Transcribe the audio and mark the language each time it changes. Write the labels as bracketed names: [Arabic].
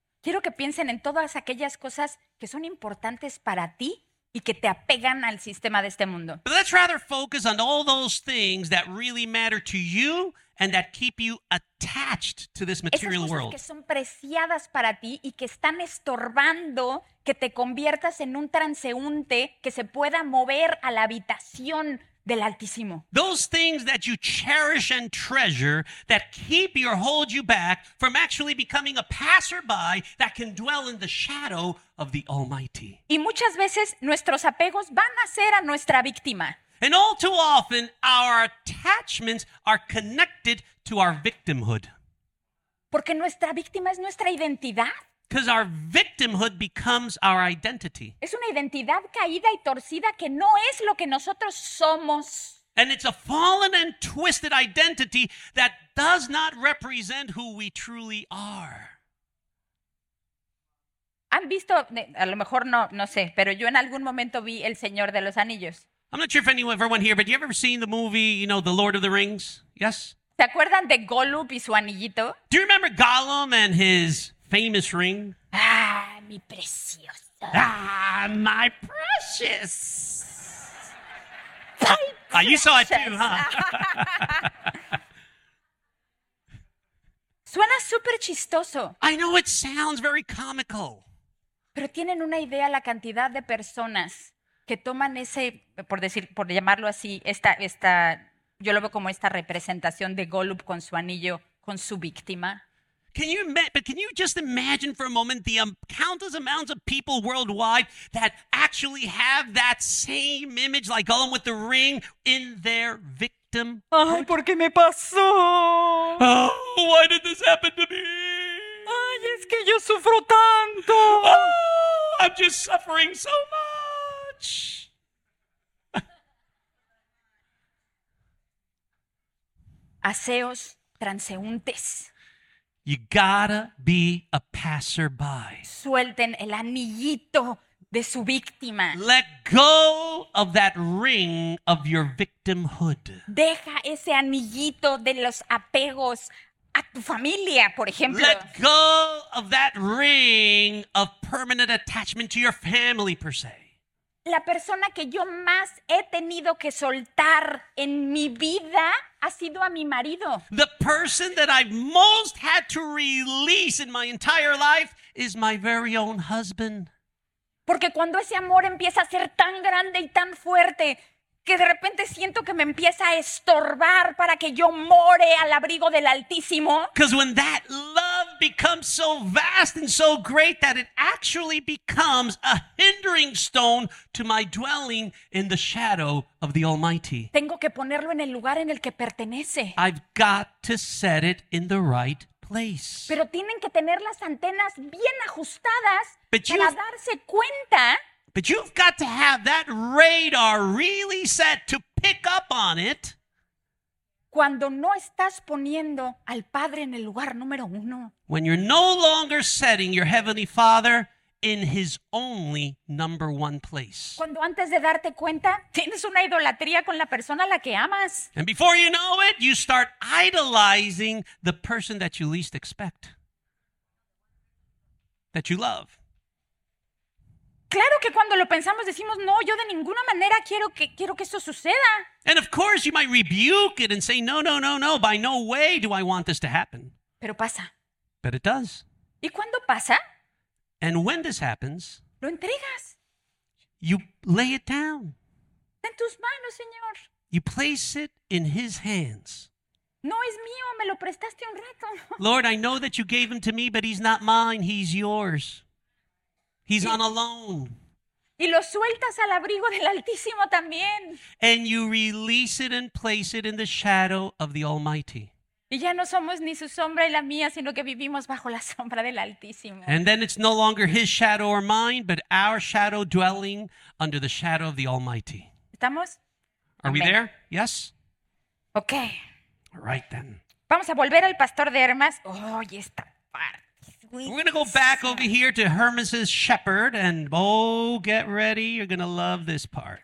[Spanish] Quiero que piensen en todas aquellas cosas que son importantes para ti y que te apegan al sistema de este mundo. [English] But let's rather focus on all those things that really matter to you and that keep you attached to this material world. [Spanish] Esas cosas que son preciadas para ti y que están estorbando que te conviertas en un transeúnte que se pueda mover a la habitación del Altísimo. [English] Those things that you cherish and treasure that keep you or hold you back from actually becoming a passerby that can dwell in the shadow of the Almighty. [Spanish] Y muchas veces nuestros apegos van a ser a nuestra víctima. [English] And all too often our attachments are connected to our victimhood. [Spanish] Porque nuestra víctima es nuestra identidad. [English] Because our victimhood becomes our identity. [Spanish] Es una identidad caída y torcida que no es lo que nosotros somos. [English] And it's a fallen and twisted identity that does not represent who we truly are. [Spanish] ¿Han visto, a lo mejor no, no sé, pero yo en algún momento vi El Señor de los Anillos? [English] I'm not sure if anyone here, but you ever seen the movie, you know, The Lord of the Rings? Yes? [Spanish] ¿Se acuerdan de Gollum y su anillito? [English] Do you remember Gollum and his famous ring? [Spanish] Ah, mi precioso. [English] Ah, my precious. My precious. Ah, you saw it too, huh? [Spanish] Suena súper chistoso. [English] I know it sounds very comical. [Spanish] Pero tienen una idea la cantidad de personas que toman ese, por decir, por llamarlo así, esta, yo lo veo como esta representación de Gollum con su anillo, con su víctima. [English] Can you just imagine for a moment the countless amounts of people worldwide that actually have that same image, like Gollum with the ring, in their victim? [Spanish] Ay, ¿por qué me pasó? [English] Oh, why did this happen to me? [Spanish] Ay, es que yo sufro tanto. [English] Oh, I'm just suffering so much. [Spanish] Aseos transeúntes. [English] You gotta be a passerby. [Spanish] Suelten el anillito de su víctima. [English] Let go of that ring of your victimhood. [Spanish] Deja ese anillito de los apegos a tu familia, por ejemplo. [English] Let go of that ring of permanent attachment to your family, per se. [Spanish] La persona que yo más he tenido que soltar en mi vida ha sido a mi marido. [English] The person that I've most had to release in my entire life is my very own husband. [Spanish] Porque cuando ese amor empieza a ser tan grande y tan fuerte, que de repente siento que me empieza a estorbar para que yo more al abrigo del Altísimo. [English] Because when that love becomes so vast and so great that it actually becomes a hindering stone to my dwelling in the shadow of the Almighty. [Spanish] Tengo que ponerlo en el lugar en el que pertenece. [English] I've got to set it in the right place. [Spanish] Pero tienen que tener las antenas bien ajustadas para darse cuenta. [English] But you've got to have that radar really set to pick up on it. [Spanish] Cuando no estás poniendo al Padre en el lugar número uno. [English] When you're no longer setting your Heavenly Father in His only number one place. [Spanish] Cuando antes de darte cuenta, tienes una idolatría con la persona a la que amas. [English] And before you know it, you start idolizing the person that you least expect. That you love. [Spanish] Claro que cuando lo pensamos decimos, no, yo de ninguna manera quiero que eso suceda. [English] And of course you might rebuke it and say, no, no, no, no, by no way do I want this to happen. [Spanish] Pero pasa. [English] But it does. [Spanish] ¿Y cuando pasa? [English] And when this happens, [Spanish] lo entregas. [English] You lay it down. [Spanish] En tus manos, Señor. [English] You place it in His hands. [Spanish] No es mío, me lo prestaste un rato. [English] Lord, I know that you gave him to me, but he's not mine, he's yours. He's on a loan. [Spanish] Y lo sueltas al abrigo del Altísimo también. [English] And you release it and place it in the shadow of the Almighty. [Spanish] Y ya no somos ni su sombra y la mía, sino que vivimos bajo la sombra del Altísimo. [English] And then it's no longer His shadow or mine, but our shadow dwelling under the shadow of the Almighty. [Spanish] ¿Estamos? [English] Are we there? Yes? Okay. right then. [Spanish] Vamos a volver al pastor de Hermas. Oh, esta parte. [English] We're going to go back over here to Hermas's shepherd and oh, get ready, you're going to love this part.